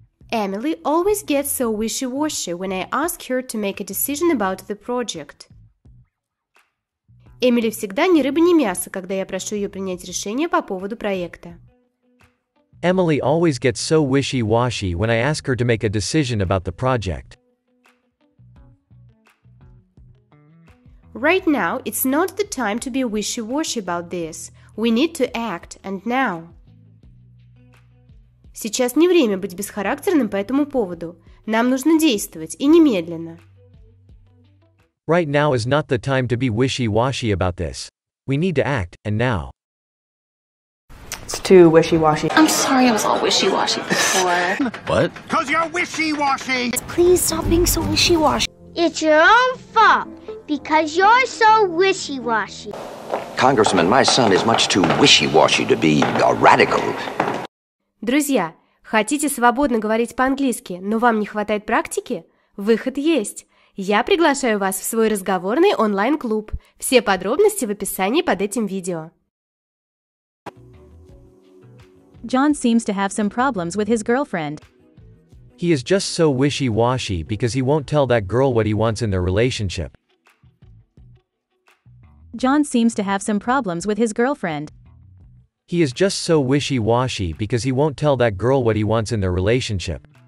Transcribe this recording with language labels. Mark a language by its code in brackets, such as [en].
[en] Emily always gets so wishy-washy when I ask her to make a decision about the project. [ru] Эмили всегда ни рыба, ни мясо, когда я прошу ее принять решение по поводу проекта. [en] Emily always gets so wishy-washy when I ask her to make a decision about the project. Right now, it's not the time to be wishy-washy about this. We need to act, and now. [ru] Сейчас не время быть бесхарактерным по этому поводу. Нам нужно действовать, и немедленно. [en] Right now is not the time to be wishy-washy about this. We need to act, and now. Too wishy-washy. I'm sorry, I was all wishy-washy before. What? Because you're wishy-washy! Please stop being so wishy-washy. It's your own fault, because you're so wishy-washy. Congressman, my son is much too wishy-washy to be a radical. [ru] Друзья, хотите свободно говорить по-английски, но вам не хватает практики? Выход есть! Я приглашаю вас в свой разговорный онлайн-клуб. Все подробности в описании под этим видео. [en] John seems to have some problems with his girlfriend. He is just so wishy-washy because he won't tell that girl what he wants in their relationship. John seems to have some problems with his girlfriend. He is just so wishy-washy because he won't tell that girl what he wants in their relationship.